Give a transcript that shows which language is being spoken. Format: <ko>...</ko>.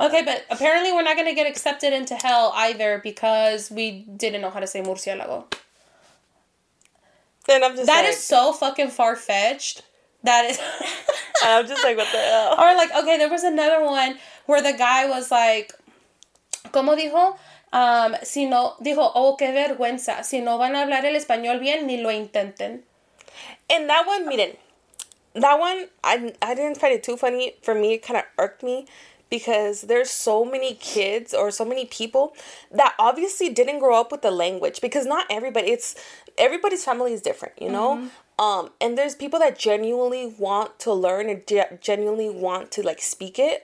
<en>Okay, but apparently we're not going to get accepted into hell either because we didn't know how to say murciélago. And I'm just that like, is so fucking far-fetched. That is... I'm just like, what the hell? Or like, okay, there was another one where the guy was like,</en> <es>¿cómo dijo? Dijo, oh, qué vergüenza. Si no van a hablar el español bien, ni lo intenten.</es> <en>And that one,</en> <es>miren,</es> <en>that one, I didn't find it too funny. For me, it kind of irked me because there's so many kids or so many people that obviously didn't grow up with the language, because not everybody, it's... Everybody's family is different, you know? Mm-hmm. And there's people that genuinely want to learn and genuinely want to, like, speak it.</en>